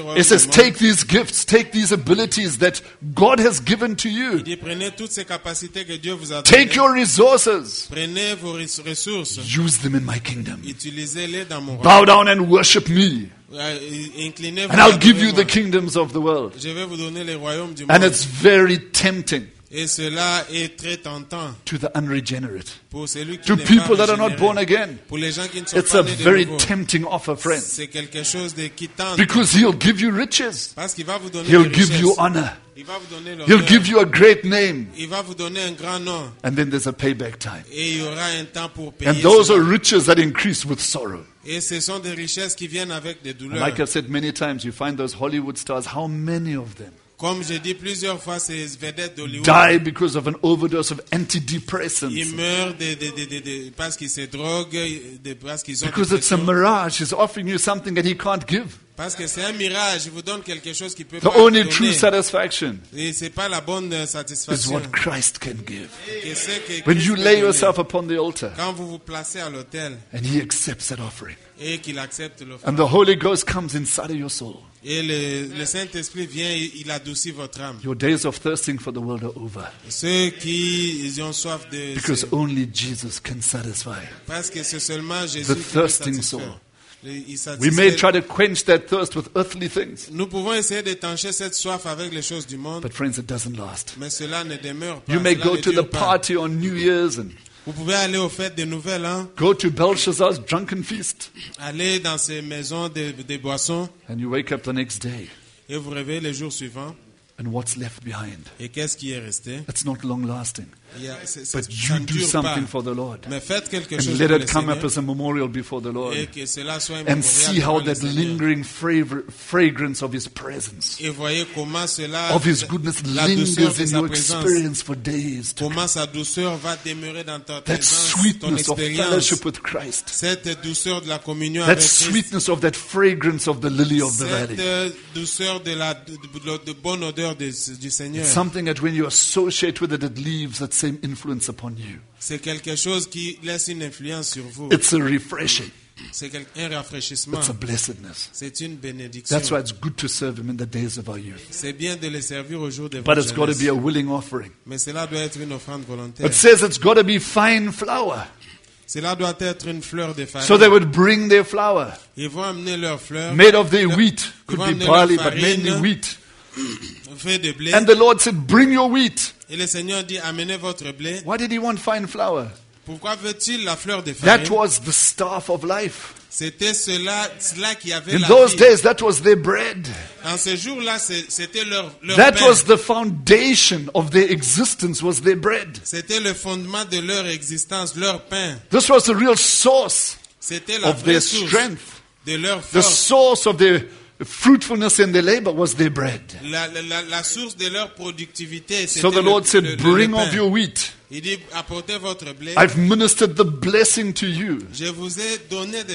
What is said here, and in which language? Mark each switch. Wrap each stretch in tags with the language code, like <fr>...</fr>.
<fr>royaumes.</fr> <en>He says, "Take these gifts, take these abilities that God has given to you."</en> <fr>Il dit, prenez toutes ces capacités que Dieu vous a</fr> <en>Take your resources.</en> <fr>Prenez vos ressources.</fr> <en>Use them in my kingdom.</en> <fr>Utilisez-les dans mon royaume.</fr> <en>Bow down and worship me. And I'll give you the kingdoms of the world.</en> <fr>Je vais vous donner les royaumes du monde.</fr> <en>And it's very tempting.</en> <fr>Et cela est très tentant.</fr> <en>To the unregenerate.</en> <fr>Pour celui qui</fr> <en>to</en> <fr>n'est</fr> <en>people</en> <fr>pas</fr> <en>that are not born again.</en> <fr>Pour les gens qui ne sont</fr> <en>it's</en> <fr>pas</fr> <en>a</en> <fr>nés</fr> <en>very</en> <fr>de nouveau.</fr> <en>Tempting offer, friend.</en> <fr>C'est quelque chose de qui tente.</fr> <en>Because he'll give you riches.</en> <fr>Parce qu'il va vous donner</fr> <en>he'll</en> <fr>les</fr> <en>give</en> <fr>richesses.</fr> <en>You honor.</en> <fr>Il va vous donner</fr> <en>he'll give you a great name.</en> <fr>Il va vous donner un grand nom.</fr> <en>And then there's a payback time.</en> <fr>Et il y aura un temps pour payer</fr> <en>and those</en> <fr>cela.</fr> <en>Are riches that increase with sorrow.</en> <fr>Et ce sont des richesses qui viennent avec des douleurs.</fr> <en>And like I've said many times, you find those Hollywood stars, how many of them?</en> <fr>Comme j'ai dit plusieurs fois, ces vedettes d'Hollywood.</fr> <en>Die because of an overdose of antidepressants.</en> <fr>Ils meurent de parce qu'ils se droguent, de parce qu'ils ont.</fr> <en>Because it's a mirage. He's offering you something that he can't give.</en> <fr>Parce que c'est un mirage. Il vous donne quelque chose qu'il peut</fr> <en>the</en> <fr>pas vous donner.</fr> <en>The only true satisfaction.</en> <fr>Et c'est pas la bonne satisfaction.</fr> <en>Is what Christ can give.</en> <fr>Que c'est que</fr> <en>when</en> <fr>Christ</fr> <en>you lay yourself upon the altar.</en> <fr>Quand vous vous placez à l'autel.</fr> <en>And he accepts that offering.</en> <fr>Et qu'il accepte l'offrande.</fr> <en>And the Holy Ghost comes inside of your soul.</en> <fr>Et le Saint-Esprit vient, il adoucit votre âme.</fr> <en>Your days of thirsting for the world are over.</en> <fr>Ceux qui ont soif de</fr> <en>because only Jesus can satisfy.</en> <fr>Parce que c'est seulement Jésus</fr> <en>the</en> <fr>qui</fr> <en>thirsting soul.</en> <fr>Satisfait.</fr> <en>We may try to quench that thirst with earthly things.</en> <fr>Nous pouvons essayer d'étancher cette soif avec les choses du monde.</fr> <en>But friends, it doesn't last.</en> <fr>Mais cela ne demeure pas.</fr> <en>You may</en> <fr>cela</fr> <en>go to the</en> <fr>pas.</fr> <en>Party on New Year's and</en> <fr>vous pouvez aller aux fêtes de nouvelles, hein?</fr> <en>Go to Belshazzar's drunken feast.</en> <fr>Aller dans ces maisons de boissons.</fr> <en>And you wake up the next day.</en> <fr>Et vous réveillez le jour suivant.</fr> <en>And what's left behind?</en> <fr>Et qu'est-ce qui est resté?</fr> <en>It's not long lasting. Yeah, but you do something for the Lord.</en> <fr>Mais faites quelque</fr> <en>and</en> <fr>chose</fr> <en>let</en> <fr>pour</fr> <en>it come</en> <fr>Seigneur.</fr> <en>Up as a memorial before the Lord.</en> <fr>Et que cela soit</fr> <en>and see how that lingering fragrance of His presence.</en> <fr>Et voyez comment cela</fr> <en>of His goodness lingers in your experience for days. To</en> <fr>comment sa douceur va demeurer dans ta</fr> <en>that</en> <fr>présence,</fr> <en>sweetness</en> <fr>ton</fr> <en>of fellowship with Christ.</en> <fr>Cette douceur de la communion</fr> <en>that</en> <fr>avec Christ.</fr> <en>Sweetness of that fragrance of the lily of the</en> <fr>cette</fr> <en>valley.</en> <fr>Douceur de la de bonne odeur du Seigneur.</fr> <en>It's something that when you associate with it, it leaves that same influence upon you.</en> <fr>C'est quelque chose qui laisse une influence sur vous.</fr> <en>It's a refreshing.</en> <fr>C'est un rafraîchissement.</fr> <en>It's a blessedness.</en> <fr>C'est une bénédiction.</fr> <en>That's why it's good to serve Him in the days of our youth.</en> <fr>C'est bien de le servir au jour de</fr> <en>but</en> <fr>votre</fr> <en>it's</en> <fr>jeunesse.</fr> <en>Got to be a willing offering.</en> <fr>Mais cela doit être une offrande volontaire.</fr> <en>It says it's got to be fine flour.</en> <fr>Cela doit être une fleur de farine.</fr> <en>So they would bring their flour.</en> <fr>Ils vont amener leur fleur.</fr> <en>Made of their wheat. Could be barley, but mainly wheat.</en> <fr>Fait de blé.</fr> <en>And the Lord said, bring your wheat.</en> <fr>Et le Seigneur dit, amenez votre blé.</fr> <en>Why did he want fine flour?</en> <fr>Pourquoi veut-il la fleur de farine?</fr> <en>That was the staff of life.</en> <fr>C'était cela qui avait</fr> <en>in</en> <fr>la</fr> <en>those</en> <fr>vie.</fr> <en>Days, that was their bread.</en> <fr>Dans ces jours-là, c'était leur</fr> <en>that</en> <fr>pain.</fr> <en>Was the foundation of their existence, was their bread.</en> <fr>C'était le fondement de leur existence, leur pain.</fr> <en>This was the real source</en> <fr>c'était la</fr> <en>of their strength.</en> <fr>De leur force.</fr> <en>The source of their the fruitfulness in their labor was their bread.</en> <fr>La source de leur productivité,</fr> <en>so the Lord said, bring of your wheat.</en> <fr>Il dit, apportez votre blé.</fr> <en>I've ministered the blessing to you.</en> <fr>Je vous ai donné des</fr>